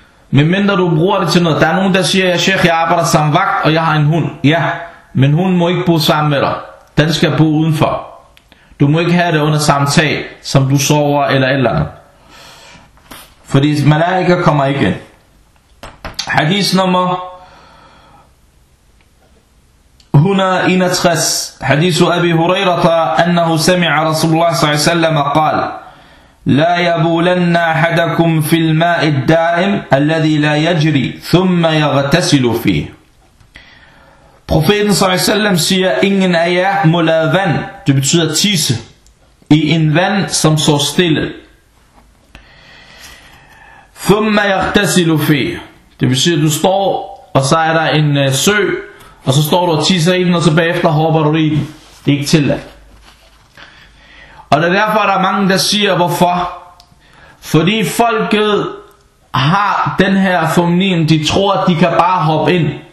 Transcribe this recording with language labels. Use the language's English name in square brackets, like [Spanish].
[Danish] Men mindre du bruger det til noget, der er nogen, der siger, at jeg arbejder som vagt, og jeg har en hund. Ja, men hunden må ikke bo sammen med dig. Den skal bo udenfor. Du må ikke have det under samme tag, som du sover eller eller andet. Fordi malaika kommer ikke ind. Hadis nummer 161 [Arabic] حديث أبي هريرة أنه سمع رسول الله صلى الله عليه وسلم قال لا يبولن أحدكم في الماء الدائم الذي لا يجري ثم يغتسل فيه [Danish] profeten [Arabic] صلى الله عليه وسلم [Danish] siger ingen af jer må lade vand, det betyder tisse, i en vand som så stille, [Arabic] ثم يغتسل فيه, [Danish] det betyder du står og så er der en sø. Og så står du og tisser i den, og så bagefter hopper du i den. Det er ikke tilladt. Og det er derfor, der er mange, der siger, hvorfor. Fordi folket har den her formening, de tror, at de kan bare hoppe ind.